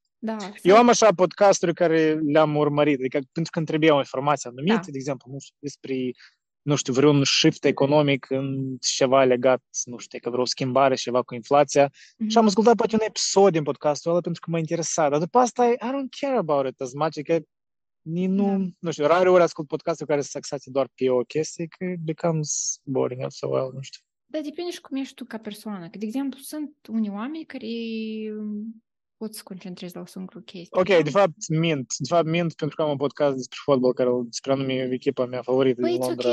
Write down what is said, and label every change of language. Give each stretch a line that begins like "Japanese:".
Romanian: Da. Eu am așa podcasturi care le-am urmărit. Adică, pentru că îmi trebuia o informație anumită, da. De exemplu, nu știu, despre, nu știu, vreun shift economic în ceva legat, nu știu, că vreo schimbare, ceva cu inflația. Mm-hmm. Și am ascultat poate un episod din podcastul ăla pentru că m-a interesat. Dar după asta,
English: I don't care about it as much.
Romanian: Adică, nu, da. Nu știu, rare ori ascult podcastul care se axează doar pe o chestie, că
English: it becomes boring after a while,
Romanian: nu știu. Da, depinde și cum ești tu ca persoană. Că, de exemplu, sunt unii oameni care pot să concentrezi la o singură chestie. Ok, de fapt, mint. De fapt, mint pentru că am un podcast despre fotbal, care despre anume e echipa mea favorită din Londra,